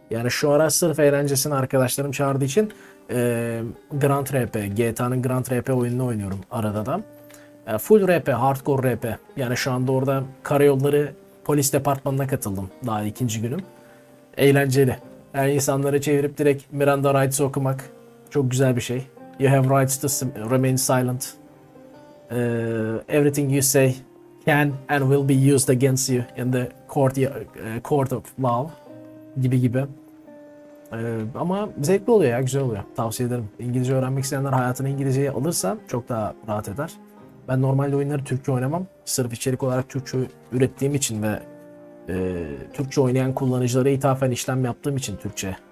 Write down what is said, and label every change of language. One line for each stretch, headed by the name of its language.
Turkish: Yani şu ara sırf eğlencesini arkadaşlarım çağırdığı için Grand RP, GTA'nın Grand RP oyununu oynuyorum arada da. Full RP, hardcore RP. Yani şu anda orada karayolları polis departmanına katıldım. Daha ikinci günüm. Eğlenceli. Yani insanları çevirip direkt Miranda Rights'ı okumak çok güzel bir şey.
English: You have rights to remain silent. Everything you say can and will be used against you in the court of law
Turkish: gibi gibi. Ama zevkli oluyor ya, güzel oluyor. Tavsiye ederim. İngilizce öğrenmek isteyenler hayatını İngilizceye alırsa çok daha rahat eder. Ben normalde oyunları Türkçe oynamam. Sırf içerik olarak Türkçe ürettiğim için ve Türkçe oynayan kullanıcılara ithafen işlem yaptığım için Türkçe.